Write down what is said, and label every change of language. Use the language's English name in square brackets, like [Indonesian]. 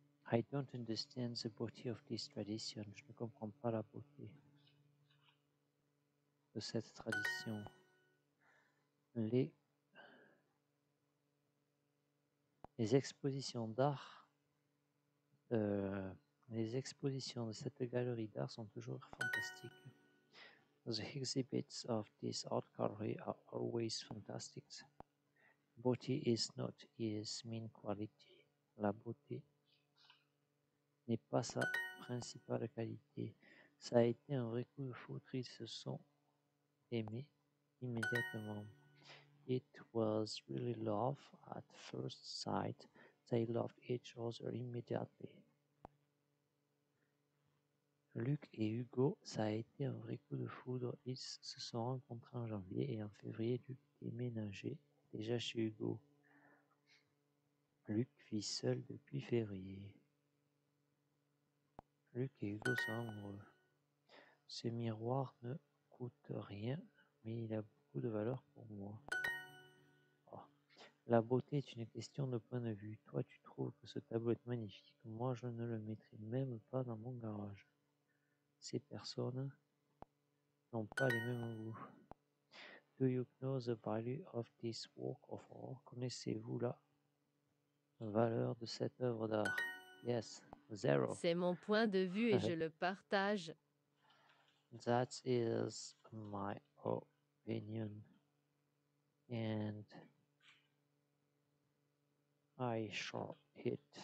[English] I don't understand the beauty of this tradition. [French] Je ne comprends pas la beauté de cette tradition. Les expositions d'art, les expositions de cette galerie d'art sont toujours fantastiques. [English] The exhibits of this art gallery are always fantastic. Beauty is not its main quality. [French] La beauté n'est pas sa principale qualité. Ça a été un vrai coup de foudre. Ils se sont aimés immédiatement. [English] It was really love at first sight. They loved each other immediately. [French] Luc et Hugo, ça a été un vrai coup de foudre. Ils se sont rencontrés en janvier et en février, Luc a déménagé déjà chez Hugo. Luc vit seul depuis février. Luc et Hugo sont amoureux. Ce miroir ne coûte rien, mais il a beaucoup de valeur pour moi. Oh. La beauté est une question de point de vue. Toi, tu trouves que ce tableau est magnifique. Moi, je ne le mettrai même pas dans mon garage. Ces personnes n'ont pas les mêmes goûts. [English] Do you know the value of this work of art? [French] Connaissez-vous la valeur de cette œuvre d'art? [English] Yes, zero. [French] C'est mon point de vue et je le partage. [English] That is my opinion. And I shall hit.